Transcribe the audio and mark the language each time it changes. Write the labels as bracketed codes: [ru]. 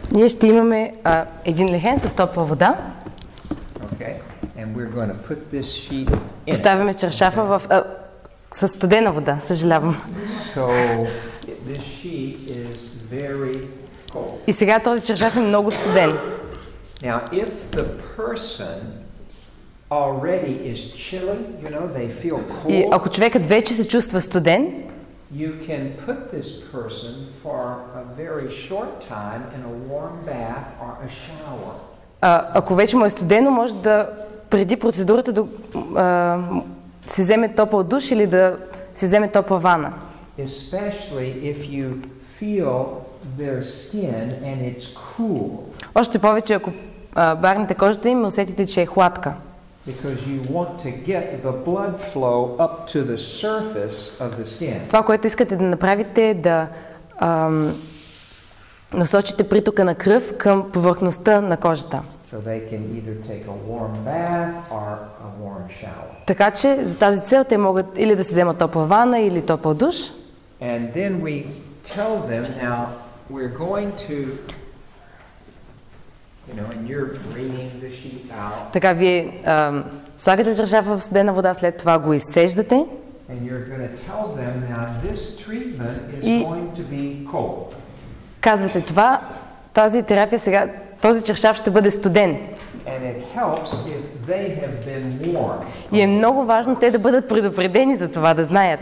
[bg] Ние ще имаме един лехен с топла вода. [en] Okay. And we're going to put this sheet in. [bg] Поставяме чаршафа в със студена вода, съжалявам. [en] So this sheet is very [bg] И сега този чаршаф е много студен. [en] Now, if the person already is chilly, you know, they feel cold. [bg] И ако човекът вече се чувства студен, [en] you can put this person for a very short time in a warm bath or a shower. [bg] Ако вече му е студено, може да преди процедурата да си вземе топъл душ или да си вземе топла вана. [en] Especially if you feel their skin and it's cool. [bg] Още повече ако барнете кожата им, усетите че е хладка. [en] Because you want to get the blood flow up to the surface of the skin. [bg] Това което искате да направите е да насочите притока на кръв към повърхността на кожата. [en] So they can either take a warm bath or a warm shower. [bg] Така че за тази цел те могат или да се вземат топла вана или топъл душ. [en] And then we tell them now we're going to, you know, and you're bringing the sheep out. [bg] Така вие слагате чаршафа в студена вода, след това го изсеждате. [en] And you're going to tell them now this treatment is going to be cold. [bg] Казвате това, тази терапия сега, този чаршаф ще бъде студен. [en] And it helps if they have been warm. [bg] И е много важно те да бъдат предупредени за това, да знаят.